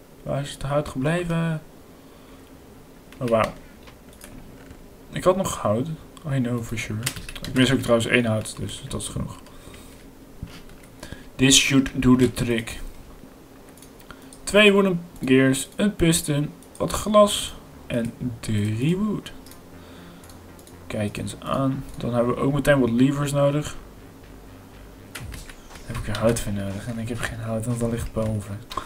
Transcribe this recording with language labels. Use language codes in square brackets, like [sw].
[nl] Waar is het hout gebleven? Oh, wauw. Ik had nog hout. [en] I know for sure. [nl] Ik mis ook trouwens één hout, dus dat is genoeg. [en] This should do the trick. [nl] Twee wooden gears, een piston, wat glas en drie wood. Kijk eens aan. Dan hebben we ook meteen wat levers nodig. Dan heb ik er hout voor nodig en ik heb geen hout, want dat ligt boven.